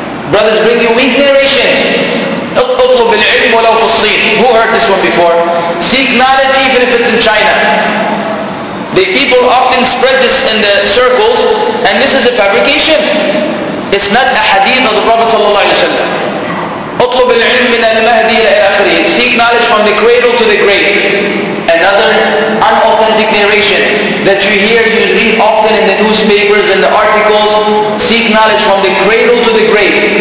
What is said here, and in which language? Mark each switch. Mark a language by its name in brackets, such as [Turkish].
[English] Brothers bring you weak narrations. [Arabic] اطلب العلم ولو في الصين. [English] Who heard this one before? Seek knowledge even if it's in China. The people often spread this in the circles, and this is a fabrication. It's not a hadith of the Prophet صلى الله عليه وسلم. [Arabic] اطلب العلم من المهدي إلى آخره. [English] Seek knowledge from the cradle to the grave. Another unauthentic narration that you hear, you read often in the newspapers and the articles. Seek knowledge from the cradle to the grave.